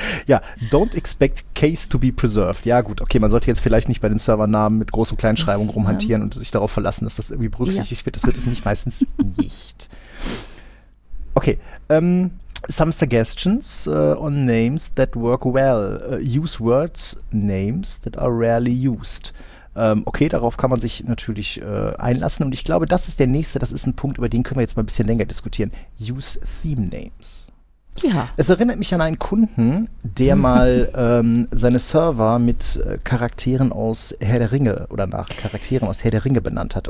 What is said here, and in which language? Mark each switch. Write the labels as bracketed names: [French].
[English] Ja, don't expect case to be preserved. [German] Ja gut, okay, man sollte jetzt vielleicht nicht bei den Servernamen mit groß- und Kleinschreibung rumhantieren und sich darauf verlassen, dass das irgendwie berücksichtigt wird. Das wird es nicht meistens nicht. [English] Okay, some suggestions on names that work well. Use words, names that are rarely used. [German] Okay, darauf kann man sich natürlich einlassen. Und ich glaube, das ist der nächste, das ist ein Punkt, über den können wir jetzt mal ein bisschen länger diskutieren. [English] Use theme names. [German] Ja. Es erinnert mich an einen Kunden, der mal seine Server mit Charakteren aus Herr der Ringe oder nach Charakteren aus Herr der Ringe benannt hat.